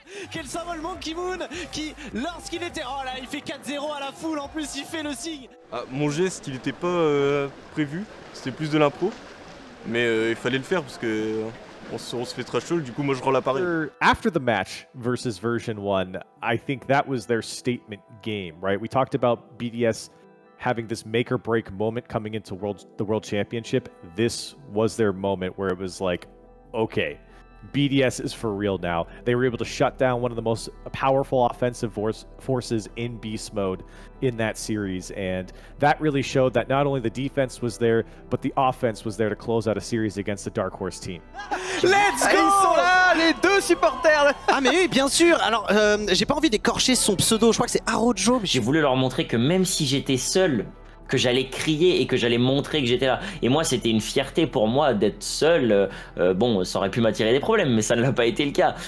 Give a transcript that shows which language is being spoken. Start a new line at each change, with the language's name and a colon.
French: Quel symbole MonkeyMoon qui, lorsqu'il était... Oh là, il fait 4-0 à la foule, en plus il fait le signe. Ah, mon geste, il n'était pas prévu, c'était plus de l'impro. Mais il fallait le faire parce que on se fait très chaud, du coup moi je rends la pari.
English: After the match versus Version 1, I think that was their statement game, right? We talked about BDS having this make or break moment coming into the World Championship. This was their moment where it was like, okay, BDS is for real now. They were able to shut down one of the most powerful offensive forces in beast mode in that series, and that really showed that not only the defense was there, but the offense was there to close out a series against the Dark Horse team. Let's go!
French: Ils sont là, les deux supporters. Ah mais oui, bien sûr. Alors, j'ai pas envie d'écorcher son pseudo. Je crois que c'est Arojo. J'ai voulu leur montrer que même si j'étais seul, que j'allais crier et que j'allais montrer que j'étais là. Et moi, c'était une fierté pour moi d'être seul. Bon, ça aurait pu m'attirer des problèmes, mais ça ne l'a pas été le cas.